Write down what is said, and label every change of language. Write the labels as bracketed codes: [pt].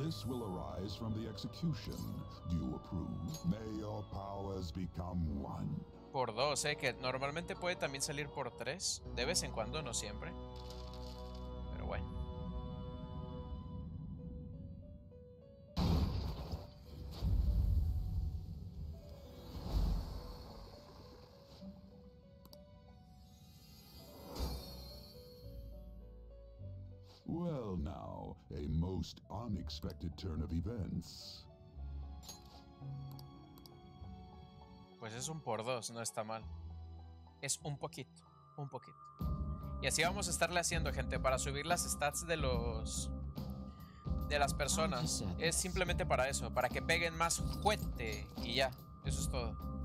[en] This will arise from the execution. Do you approve? May your powers become one. [es] Por dos, ¿eh? Que normalmente puede también salir por tres. De vez en cuando, no siempre. Pero bueno. [en] Well now, a most unexpected turn of events. [es] Pues es un por dos, no está mal. Es un poquito, un poquito. Y así vamos a estarle haciendo, gente, para subir las stats de los... de las personas. Es simplemente para eso, para que peguen más fuerte y ya. Eso es todo.